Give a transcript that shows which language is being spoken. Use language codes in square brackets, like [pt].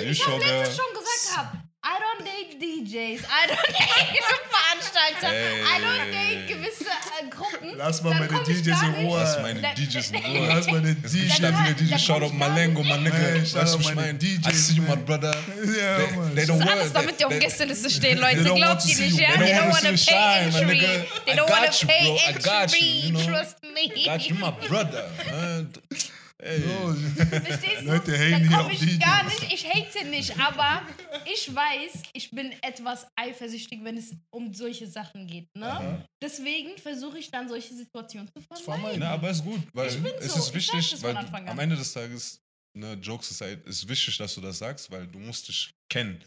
[de] wie ich habe letztens schon gesagt habe, [en] I don't date DJs, I don't date Veranstalter, hey. I don't date gewisse Gruppen. [de] Lass mal meine DJs in Ruhe. Lass meine DJs in Ruhe. Lass meine DJs in Ruhe. Lass meine DJs, shout out Malengo, mein Nigga. Lass mich meinen DJs. [en] I see you, my brother. Yeah, they don't want to. [de] Das ist alles, damit die auf Gästeliste stehen, Leute. Glaubt ihr nicht, ja? [en] They don't want to pay entry. They don't want to pay entry. Trust me. I got you, my brother. Ey. [de] So, Leute, hey, da komme ich gar nicht, ich hate nicht, aber ich weiß, ich bin etwas eifersüchtig, wenn es um solche Sachen geht, ne? Aha. Deswegen versuche ich dann solche Situationen zu vermeiden. Na, aber ist gut, weil es ist wichtig, weil am Ende des Tages, ne, Jokes ist halt, ist wichtig, dass du das sagst, weil du musst dich kennen.